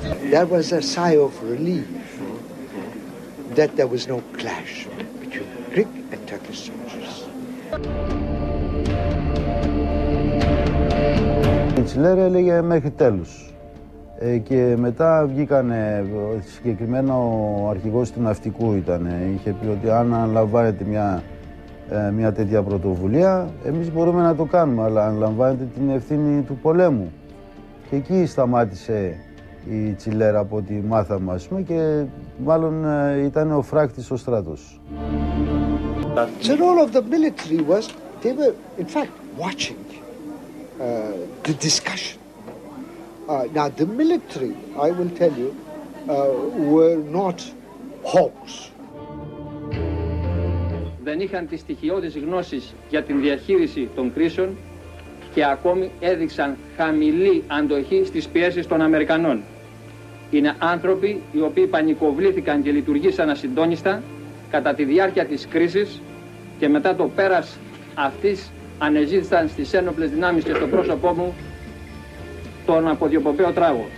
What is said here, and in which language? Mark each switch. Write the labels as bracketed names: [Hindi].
[English] There was a sigh of relief that there was no clash between Greek and Turkish soldiers. [Greek] Hitler έλεγε μέχρι τέλους. Και μετά βγήκαν συγκεκριμένα ο αρχηγός του ναυτικού ήταν. Είχε πει ότι αν αναλαμβάνεται μια τέτοια πρωτοβουλία, εμείς μπορούμε να το κάνουμε, αλλά αναλαμβάνετε την ευθύνη του πολέμου. Και εκεί σταμάτησε η Τσιλέρ από ό,τι μάθαμε, ας πούμε, και μάλλον ήταν ο φράκτης ο στρατός. [English] The role of the military was, they were in fact watching the discussion. Now the military, I will tell you, were not hawks. [Greek] Δεν είχαν τις στοιχειώδεις γνώσεις για την διαχείριση των κρίσεων και ακόμη έδειξαν χαμηλή αντοχή στις πιέσεις των Αμερικανών. Είναι άνθρωποι οι οποίοι πανικοβλήθηκαν και λειτουργήσαν ασυντόνιστα κατά τη διάρκεια της κρίσης και μετά το πέρας αυτής ανεζήτησαν στις ένοπλες δυνάμεις και στο πρόσωπό μου τον αποδιοπομπαίο τράγο.